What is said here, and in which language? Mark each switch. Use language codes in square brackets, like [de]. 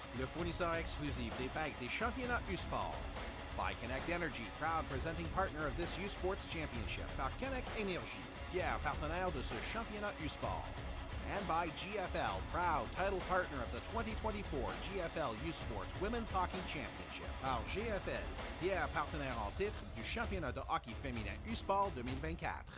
[fr] Le fournisseur exclusif des bagues des championnats U-Sport. [en] By Connect Energy, proud presenting partner of this U-Sports championship. [fr] Par Connect Energy, fier partenaire de ce championnat U-Sport. [en] And by GFL, proud title partner of the 2024 GFL U-Sports Women's Hockey Championship. [fr] Par GFL, fier partenaire en titre du championnat de hockey féminin U-Sport 2024.